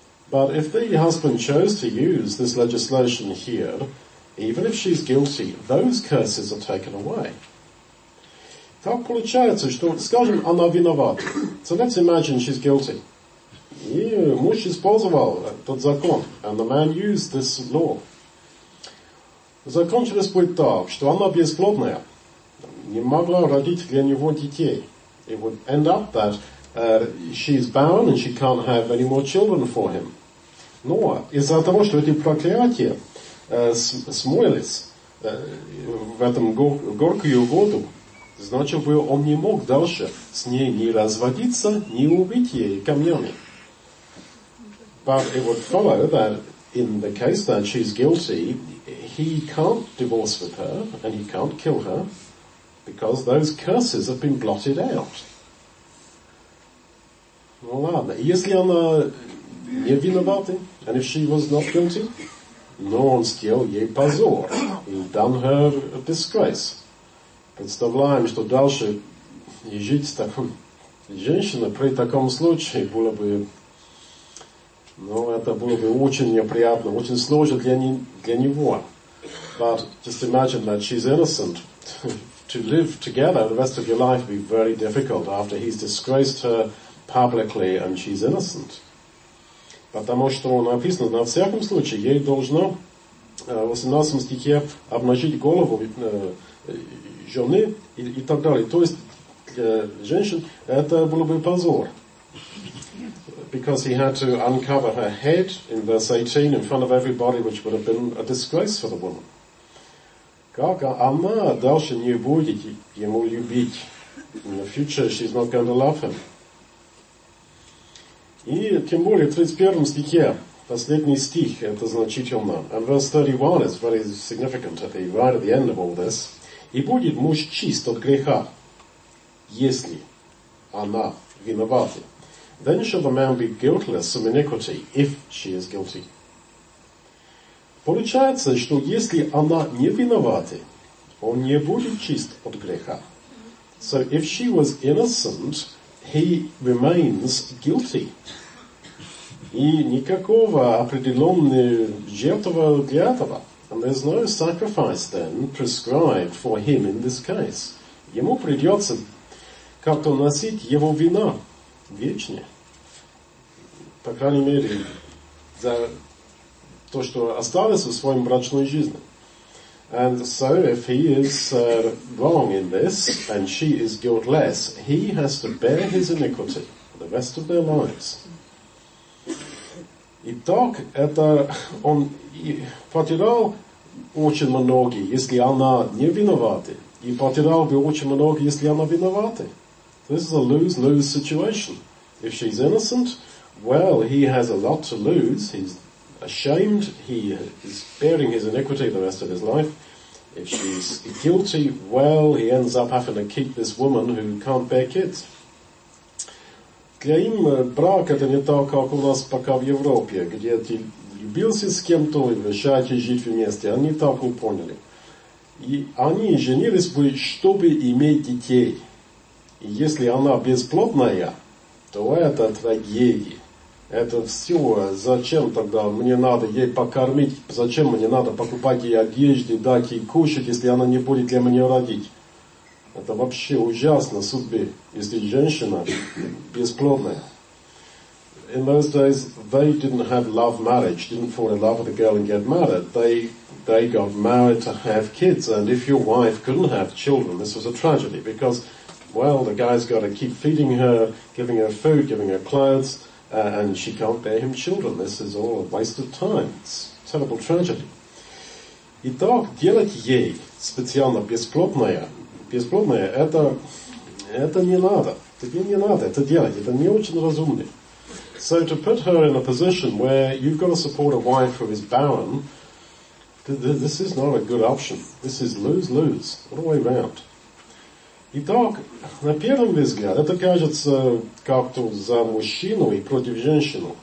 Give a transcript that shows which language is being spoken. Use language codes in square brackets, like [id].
[en] But if the husband chose to use this legislation here, Even if she's guilty, those curses are taken away. [ru] Так получается, что, скажем, она виновата. [en] So let's imagine she's guilty. [ru] И муж использовал этот закон. [en] And the man used this law. [ru] Закончилось будет так, что она бесплодная. Не могла родить для него детей. [en] It would end up that she's barren and she can't have any more children for him. [ru] Но из-за того, что эти проклятия смылись в этом горькую воду, значит, бы он не мог дальше с ней ни разводиться, ни убить ей камнями. [en] But it would follow that in the case that she's guilty, he can't divorce with her and he can't kill her because those curses have been blotted out. [ru] Ну ладно, если она не виновата, [en] and if she was not guilty, [ru] но он сделал ей позор, [en] he done her a disgrace. [ru] Представляем, что дальше и жить с таком женщиной при таком случае было бы, ну, это было бы очень неприятно, очень сложно для него. [en] But just imagine that she's innocent. To live together the rest of your life would be very difficult after he's disgraced her publicly and she's innocent. [ru] Потому что написано, на всяком случае, ей должно в 18 стихе обнажить голову жены и так далее. То есть для женщин это было бы позор. [en] Because he had to uncover her head in verse 18 in front of everybody, which would have been a disgrace for the woman. [ru] Как она дальше не будет ему любить? [en] In the future she's not going to love him. [ru] И тем более в 31 стихе, последний стих, это значительно. [en] And verse 31 is very significant at the right at the end of all this. [ru] И будет муж чист от греха, если она виновата. [en] Then shall the man be guiltless of iniquity, if she is guilty. [ru] Получается, что если она не виновата, он не будет чист от греха. [en] So if she was innocent, he remains guilty. [ru] И никакого определенного жертва для этого. [en] And there's no sacrifice then prescribed for him in this case. [ru] Ему придется как-то носить его вина вечно. По крайней мере, за то, что осталось в своем брачной жизни. [en] And so if he is wrong in this, and she is guiltless, he has to bear his iniquity for the rest of their lives. [ru] Итак, это он потерял очень многие, если она не виновата. И потерял бы очень многие, если она виновата. [en] This is a lose-lose situation. If she's innocent, well, he has a lot to lose. He's ashamed. He is bearing his iniquity the rest of his life. If she's guilty, well, he ends up having to keep this woman who can't bear kids. [ru] Для им брак это не так, как у нас пока в Европе, где эти любился с кем-то и решаете жить вместе. Они так не поняли. И они женились бы, чтобы иметь детей. И если она бесплодная, то это трагедия. Это все. Зачем тогда мне надо ей покормить? Зачем мне надо покупать ей одежду, дать ей кушать, если она не будет для меня родить? Это вообще ужасно судьбе, если женщина бесплодная. [en] In those days, they didn't have love marriage, didn't fall in love with a girl and get married. They got married to have kids, and if your wife couldn't have children, this was a tragedy, because, well, the guy's got to keep feeding her, giving her food, giving her clothes, and she can't bear him children. This is all a waste of time. It's a terrible tragedy. [ru] Итак, делать ей специально бесплодное, это не надо. Тебе не надо это делать, это не очень разумно. [en] So to put her in a position where you've got to support a wife who is barren, this is not a good option. This is lose-lose, all the way round. [ru] Итак, на первый взгляд, это кажется как-то за мужчину и против женщину.